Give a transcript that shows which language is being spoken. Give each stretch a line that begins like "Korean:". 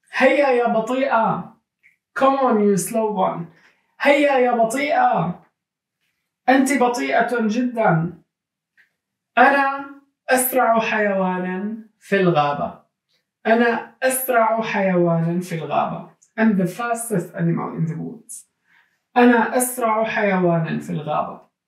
Arabic: هيا يا بطيئة.
English: Come on you slow one.
Arabic: هيا يا بطيئة. أنت بطيئة جدا. أنا أسرع حيوان في الغابة. أنا أسرع حيوان في الغابة.
English: I'm the fastest animal in the woods.
Arabic: أنا أسرع حيوان في الغابة.